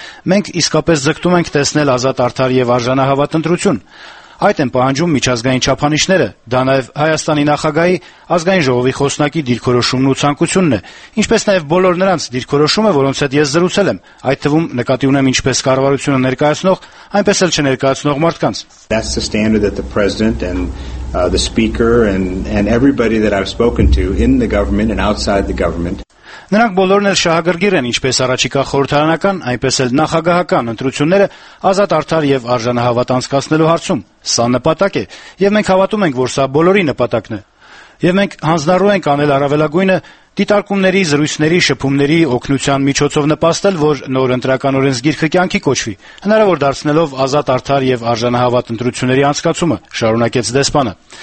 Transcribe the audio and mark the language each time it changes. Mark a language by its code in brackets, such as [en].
[hy] «Մենք իսկապես ձգտում ենք տեսնել ազատ, արդար և արժանահավատ ընտրություն. Այդ են պահանջում միջազգային չափանիշները, դա նաև Հայաստանի նախագահի ազգային ժողովի խոսնակի դիրքորոշումն ու ցանկությունն է, ինչպես նաև բոլոր նրանց դիրքորոշումը, որոնց հետ ես զրուցել եմ, այդ թվում նկատի ունեմ ինչպես կառավարությունը ներկայացնող, այնպես էլ չներկայացնող մարդկանց»։ [en] The speaker and everybody that I've spoken to in the government and outside the government. [hy] Նրանք բոլորն էլ շահագրգիր են, ինչպես առաջիկա խորհրդարանական, այնպես էլ նախագահական ընտրությունները ազատ, արդար և արժանահավատ անցկացնելու հարցում։ Սա նպատակ է, և մենք հավատում ենք, որ սա բոլորի նպատակն է։ Եվ մենք հանձնարարու ենք անել առավելագույնը դիտարկումների, զրույցների, շփումների, օգնության միջոցով նպաստել, որ նոր ընտրական օրենսգիրքը կյանքի կոչվի, հնարավոր դարձնելով ազատ, արդար և արժանահավատ ընտրությունների անցկացումը, շարունակեց դեսպանը։